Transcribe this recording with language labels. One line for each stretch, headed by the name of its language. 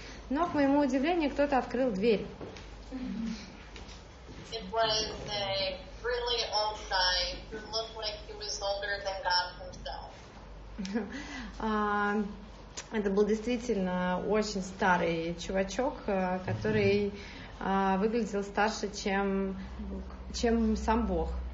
Russian: Но, к моему удивлению, кто-то открыл дверь.
English: It was a really old guy who looked like he was older than God himself.
Russian: Это был действительно очень старый чувачок, который выглядел старше, чем сам Бог.